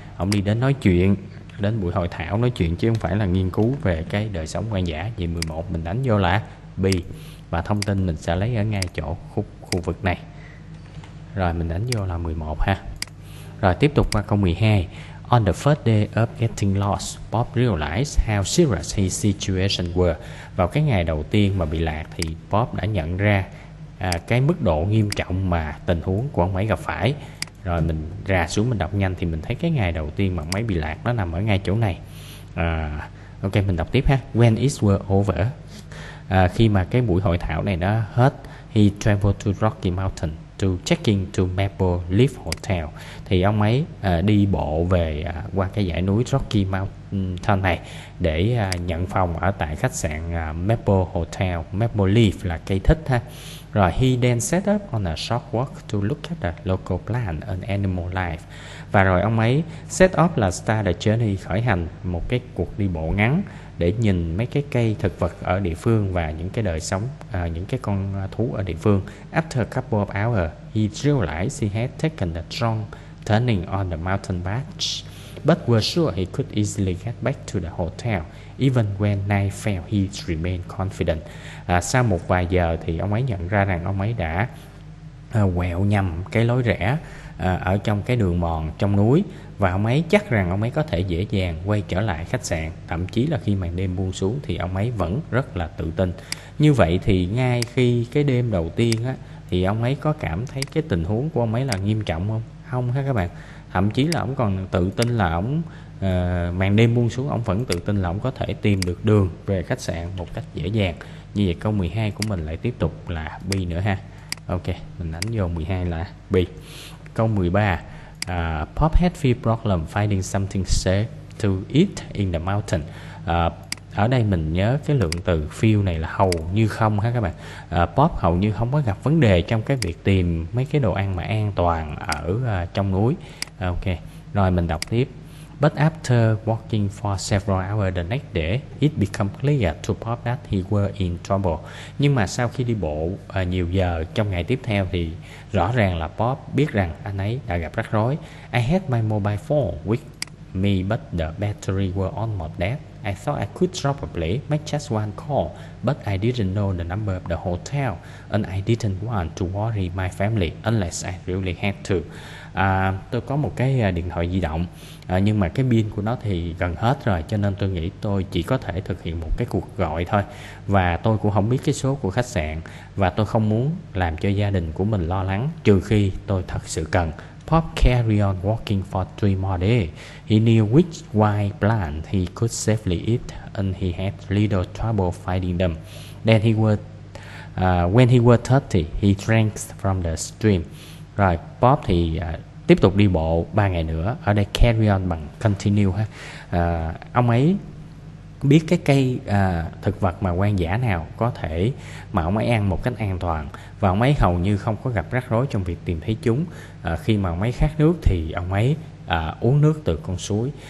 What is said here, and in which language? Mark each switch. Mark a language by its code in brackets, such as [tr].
[vi] Ông đi đến nói chuyện, đến buổi hội thảo nói chuyện chứ không phải là nghiên cứu về cái đời sống hoang dã. Vì 11 mình đánh vô là B, và thông tin mình sẽ lấy ở ngay chỗ khu vực này. Rồi mình đánh vô là 11 ha. Rồi tiếp tục qua câu 12. [en] On the first day of getting lost, Bob realized how serious his situation were. [vi] Vào cái ngày đầu tiên mà bị lạc thì Bob đã nhận ra cái mức độ nghiêm trọng mà tình huống của ông ấy gặp phải. Rồi mình ra xuống mình đọc nhanh thì mình thấy cái ngày đầu tiên mà ông ấy bị lạc nó nằm ở ngay chỗ này. Ok, mình đọc tiếp ha. [en] When it was over, [vi] khi mà cái buổi hội thảo này nó hết, [en] he traveled to Rocky Mountain to check in to Maple Leaf Hotel. [vi] Thì ông ấy đi bộ về qua cái dãy núi Rocky Mountain này để nhận phòng ở tại khách sạn Maple Hotel. Maple Leaf là cây thích ha. [en] Rồi he then set up on a short walk to look at the local plant and animal life. [vi] Và rồi ông ấy [en] set up [vi] là [en] start a journey, [vi] khởi hành một cái cuộc đi bộ ngắn để nhìn mấy cái cây thực vật ở địa phương và những cái đời sống, những cái con thú ở địa phương. [en] After a couple of hours, he realized he had taken a wrong turning on the mountain path. but was sure he could easily get back to the hotel. Even when night fell, he remained confident. [vi] Sau một vài giờ thì ông ấy nhận ra rằng ông ấy đã quẹo nhầm cái lối rẽ ở trong cái đường mòn trong núi, và ông ấy chắc rằng ông ấy có thể dễ dàng quay trở lại khách sạn. Thậm chí là khi màn đêm buông xuống thì ông ấy vẫn rất là tự tin. Như vậy thì ngay khi cái đêm đầu tiên á, thì ông ấy có cảm thấy cái tình huống của ông ấy là nghiêm trọng không? Không ha các bạn. Thậm chí là ông còn tự tin là ông màn đêm buông xuống, ông vẫn tự tin là ông có thể tìm được đường về khách sạn một cách dễ dàng. Như vậy câu 12 của mình lại tiếp tục là B nữa ha. Ok, mình đánh vô 12 là B. Câu 13, [en] Pop had few problems finding something safe to eat in the mountain. [vi] Ở đây mình nhớ cái lượng từ few này là hầu như không ha các bạn. Pop hầu như không có gặp vấn đề trong cái việc tìm mấy cái đồ ăn mà an toàn ở trong núi. Ok, rồi mình đọc tiếp. [en] But after walking for several hours the next day, it became clear to Pop that he was in trouble. [vi] Nhưng mà sau khi đi bộ nhiều giờ trong ngày tiếp theo thì rõ ràng là Pop biết rằng anh ấy đã gặp rắc rối. [en] I had my mobile phone with me, but the battery was almost dead. I thought I could probably make just one call, but I didn't know the number of the hotel, and I didn't want to worry my family unless I really had to. [vi] Tôi có một cái điện thoại di động, nhưng mà cái pin của nó thì gần hết rồi, cho nên tôi nghĩ tôi chỉ có thể thực hiện một cái cuộc gọi thôi. Và tôi cũng không biết cái số của khách sạn, và tôi không muốn làm cho gia đình của mình lo lắng, trừ khi tôi thật sự cần. [en] Pop carried on walking for three more days. He knew which wild plants he could safely eat, and he had little trouble finding them. Then he was, when he was thirsty, he drank from the stream. [vi] Rồi, Pop thì tiếp tục đi bộ 3 ngày nữa. Ở đây carry on bằng continue ha. Ông ấy biết cái cây thực vật mà hoang dã nào có thể mà ông ấy ăn một cách an toàn. Và ông ấy hầu như không có gặp rắc rối trong việc tìm thấy chúng. Khi mà ông ấy khát nước thì ông ấy uống nước từ con suối.